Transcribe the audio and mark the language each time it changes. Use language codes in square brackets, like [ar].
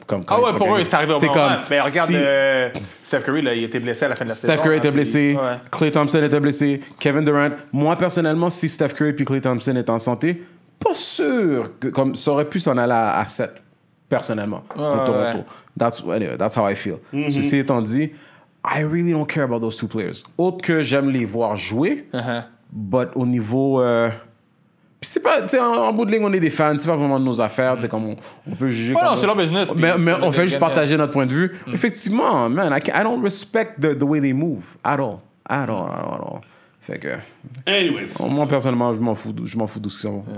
[fr] Pour eux, c'est arrivé au moment. Mais regarde, Steph Curry, là, il était blessé à la fin de la saison. Steph Curry était blessé. Klay Thompson était blessé. Kevin Durant. Moi, personnellement, si Steph Curry et Klay Thompson étaient en santé, pas sûr que comme, ça aurait pu s'en aller à 7. Personnellement, pour Toronto. [en] That's how I feel. [fr] Ceci étant dit, [en] I really don't care about those two players. [fr] Autre que j'aime les voir jouer, but au niveau. C'est pas, en bout de ligne, on est des fans, c'est pas vraiment de nos affaires, c'est comme on peut juger. Non, c'est leur business. Mais on fait juste partager notre point de vue. [en] Effectivement, man, I don't respect the way they move at all. At all. [fr] Fait que. [en] Anyways. [fr] Moi, personnellement, je m'en fous de ce qu'ils sont.